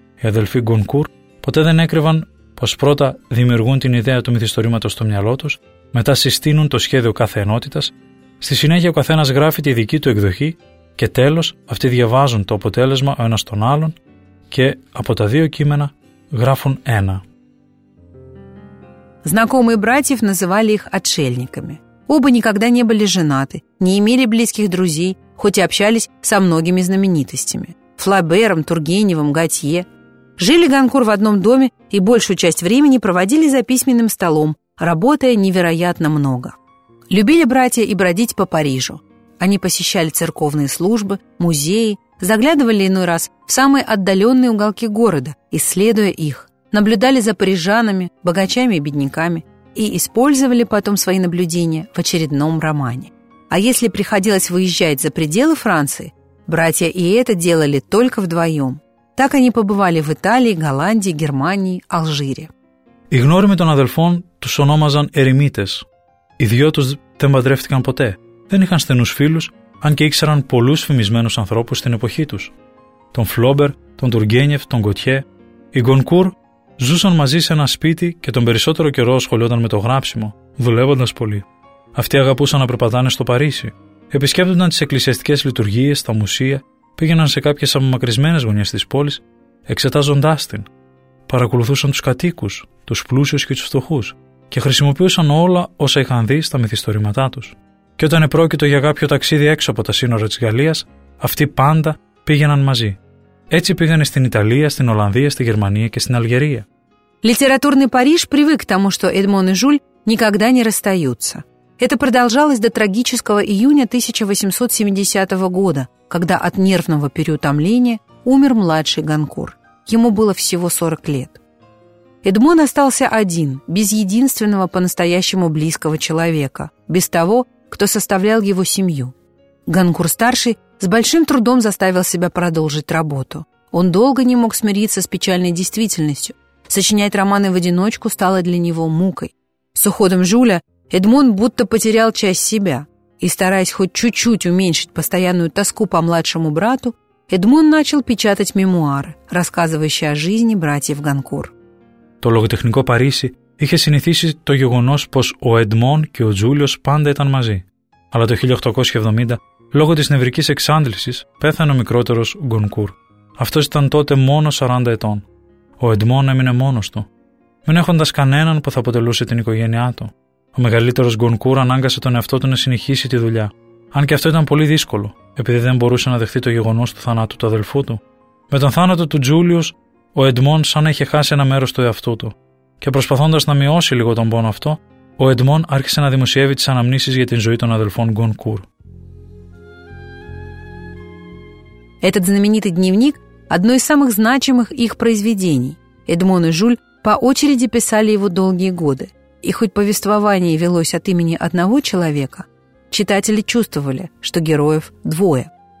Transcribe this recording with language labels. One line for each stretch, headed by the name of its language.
Greek: Οι αδελφοί Γκονκούρ ποτέ δεν έκρυβαν πως πρώτα δημιουργούν την ιδέα του μυθιστορήματος στο μυαλό τους, μετά συστήνουν το σχέδιο κάθε ενότητας, στη συνέχεια ο καθένας γράφει τη δική του εκδοχή. Και τέλος, αυτοί διαβάζουν το αποτέλεσμα ο ένας τον άλλον και από τα δύο κείμενα γράφουν ένα.
Russian: Знакомые братьев называли их отшельниками. Оба никогда не были женаты, не имели близких друзей, хоть и общались со многими знаменитостями. Флабером, Тургеневым, Готье. Жили Гонкур в одном доме и большую часть времени проводили за письменным столом, работая невероятно много. Любили братья и бродить по Парижу. Они посещали церковные службы, музеи, заглядывали иной раз в самые отдаленные уголки города, исследуя их, наблюдали за парижанами, богачами и бедняками и использовали потом свои наблюдения в очередном романе. А если приходилось выезжать за пределы Франции, братья и это делали только вдвоем. Так они побывали в Италии, Голландии, Германии, Алжире.
Greek: Οι γνώριμοι των αδελφών τους ονόμαζαν ερημίτες. Οι δυο τους δεν παντρεύτηκαν ποτέ. Δεν είχαν στενούς φίλους, αν και ήξεραν πολλούς φημισμένους ανθρώπους στην εποχή τους. Τον Φλόμπερ, τον Τουργένιεφ, τον Γκοτιέ. Οι Γκονκούρ ζούσαν μαζί σε ένα σπίτι και τον περισσότερο καιρό ασχολιόταν με το γράψιμο, δουλεύοντας πολύ. Αυτοί αγαπούσαν να περπατάνε στο Παρίσι. Επισκέπτονταν τις εκκλησιαστικές λειτουργίες, τα μουσεία, πήγαιναν σε κάποιες απομακρυσμένες γωνιές της πόλης, εξετάζοντάς την. Παρακολουθούσαν τους κατοίκους, τους πλούσιους και τους φτωχούς, και χρησιμοποιούσαν όλα όσα είχαν δει στα μυθιστορήματά τους. Και όταν επρόκειτο για κάποιο ταξίδι έξω από τα σύνορα της Γαλλίας, αυτοί πάντα πήγαιναν μαζί. Έτσι πήγανε στην Ιταλία, στην Ολλανδία, στη Γερμανία και στην Αλγερία.
Russian: Литературный Париж привык к тому, что Эдмон и Жюль никогда не расстаются. Это продолжалось до трагического июня 1870 года, когда от нервного переутомления умер младший Гонкур. Ему было всего 40 лет. Эдмон остался один, без единственного по-настоящему близкого человека, без того, кто составлял его семью. Гонкур-старший с большим трудом заставил себя продолжить работу. Он долго не мог смириться с печальной действительностью. Сочинять романы в одиночку стало для него мукой. С уходом Жюля Эдмон будто потерял часть себя. И стараясь хоть чуть-чуть уменьшить постоянную тоску по младшему брату, Эдмон начал печатать мемуары, рассказывающие о жизни братьев Гонкур.
Greek: Το λογοτεχνικό Παρίσι είχε συνηθίσει το γεγονός πως ο Εντμόν και ο Τζούλιος πάντα ήταν μαζί. Αλλά το 1870, λόγω της νευρικής εξάντλησης, πέθανε ο μικρότερος Γκονκούρ. Αυτός ήταν τότε μόνο 40 ετών. Ο Εντμόν έμεινε μόνος του, μην έχοντας κανέναν που θα αποτελούσε την οικογένειά του. Ο μεγαλύτερος Γκονκούρ ανάγκασε τον εαυτό του να συνεχίσει τη δουλειά. Αν και αυτό ήταν πολύ δύσκολο, επειδή δεν μπορούσε να δεχτεί το γεγονός του θανάτου του αδελφού του. Με τον θάνατο του Τζούλιος, ο Εντμόν σαν να είχε χάσει ένα μέρος του εαυτού του. Και προσπαθώντας να μειώσει λίγο τον πόνο αυτό, ο Εντμόν άρχισε να δημοσιεύει τις αναμνήσεις για την ζωή των αδελφών Γκονκούρ.
Russian: Этот знаменитый дневник – одно из самых значимых их произведений. Эдмон и Жюль по очереди писали его долгие годы. И хоть повествование велось от имени одного человека, читатели чувствовали, что героев двое.